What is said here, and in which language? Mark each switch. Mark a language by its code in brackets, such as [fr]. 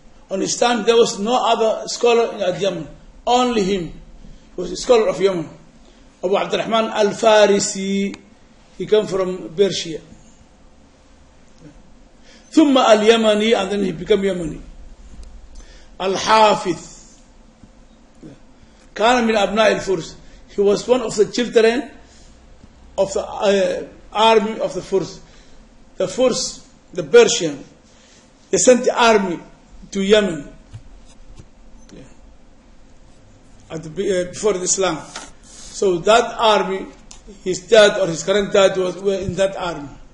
[en] On his time, there was no other scholar in Yemen. Only him. He was a scholar of Yemen. Abu Abdurrahman al-Farisi. He came from Persia. ثم اليمني, and then he became يمني. [ar] الحافظ كان من أبناء الفرس. [en] He was one of the children of the army of the Furs. The Furs, the Persian, they sent the army to Yemen before the Islam. So that army, his dad or his current dad were in that army.